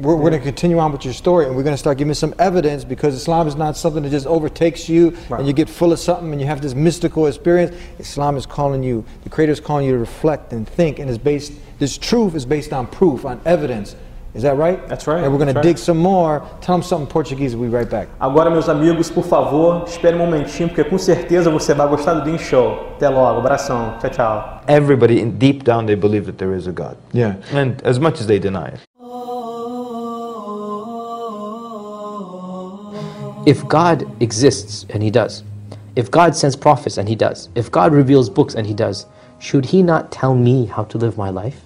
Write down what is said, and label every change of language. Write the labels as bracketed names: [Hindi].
[English] We're going to continue on with your story, and we're going to start giving some evidence, because Islam is not something that just overtakes you, right, and you get full of something and you have this mystical experience. Islam is calling you, the Creator is calling you to reflect and think, and this truth is based on proof, on evidence. Is that right? That's right. And we're going to dig some more. Tell them something in Portuguese, we'll be right back. [Portuguese] Agora, meus amigos, por favor, espere um momentinho, porque com certeza você vai gostar do Din Show. Até logo. Abração. Tchau, tchau. [English] Everybody, deep down, they believe that there is a God. Yeah. And as much as they deny it. If God exists, and he does, if God sends prophets, and he does, if God reveals books, and he does, should he not tell me how to live my life?